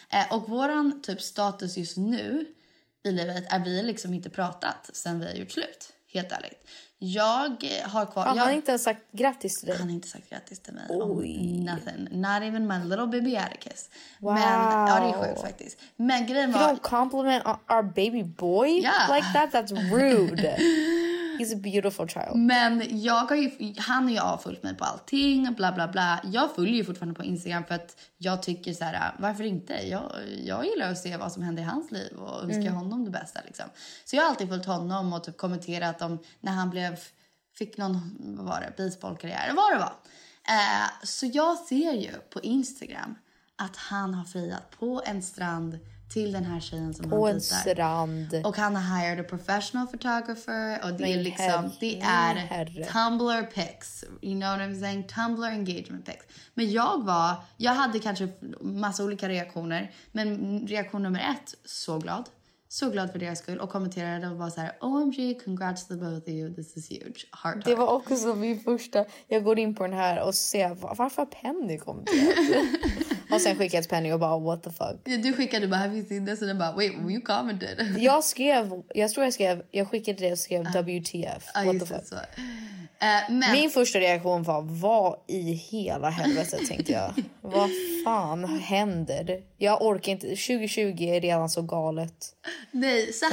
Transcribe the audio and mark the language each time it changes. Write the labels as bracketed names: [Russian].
[Swedish] Och våran typ status just nu i livet är vi liksom inte pratat sen vi har gjort slut, helt ärligt. Jag har kvar... Han har inte ens sagt grattis till dig. Han har inte sagt grattis till mig. Oj. [English] Nothing. Not even my little baby Atticus. Wow. [Swedish] Men, ja, det är sjukt faktiskt. Men grejen var... [English] You don't compliment our baby boy like that? That's rude. He's a beautiful child. [Swedish] Men jag har ju, han och jag har följt mig på allting, bla bla bla. Jag följer ju fortfarande på Instagram för att jag tycker så här, varför inte? Jag gillar att se vad som händer i hans liv och önskar honom det bästa liksom. Så jag har alltid följt honom och typ kommenterat om när han fick någon, vad var det, baseballkarriär, vad det var. Så jag ser ju på Instagram att han har friat på en strand till den här tjejen som på han dejtar. På en strand. Och han har [English] hired a professional photographer. [Swedish] Och det är liksom, det är [English] Tumblr pics. You know what I'm saying? Tumblr engagement pics. [Swedish] Men jag hade kanske massa olika reaktioner. Men reaktion nummer ett, så glad. Så glad för deras skull. Och kommenterade och bara så här, [English] OMG, congrats to the both of you. This is huge. Heart. [Swedish] Det var också min första, jag går in på den här och ser, varför Penny kommenterat? Och sen skickade jag Penny och bara, [English] what the fuck? [Swedish] Du skickade bara, [English] have you seen this? And I'm like, wait, you commented. [Swedish] Jag skrev, jag tror jag skrev, jag skickade det och skrev WTF. [English] What the fuck? [Swedish] Min första reaktion var, vad i hela helvete tänkte jag? Vad fan händer? Jag orkar inte, 2020 är redan så galet. Nej, så här...